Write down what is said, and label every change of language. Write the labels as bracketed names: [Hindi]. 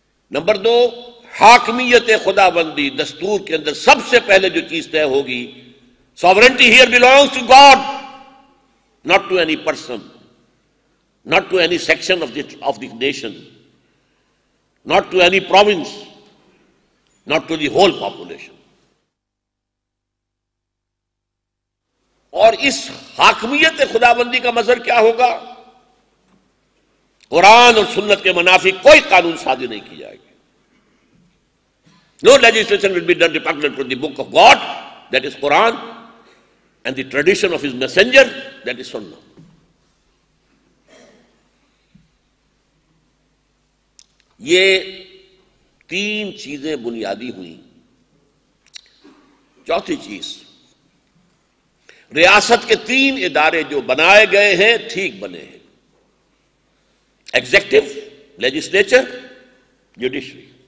[Urdu] Number دو، حاکمیت خداوندی، دستور کے اندر سب سے پہلے جو چیز طے ہوگی، [English] Sovereignty here belongs to God, not to any person, not to any section of the nation, not to any province, not to the whole population. [Urdu] اور اس حاکمیت خداوندی کا مظہر کیا ہوگا؟ قرآن اور سنت کے منافی کوئی قانون سازی نہیں کی جائے گی. [English] No legislation will be done dependent on the book of God, that is Quran, and the tradition of his messenger, that is Sunnah. [Urdu] یہ تین چیزیں بنیادی ہوئیں. چوتھی چیز، ریاست کے تین ادارے جو بنائے گئے ہیں ٹھیک بنے ہیں، ایگزیکٹو، لیجسلیچر، جوڈیشری.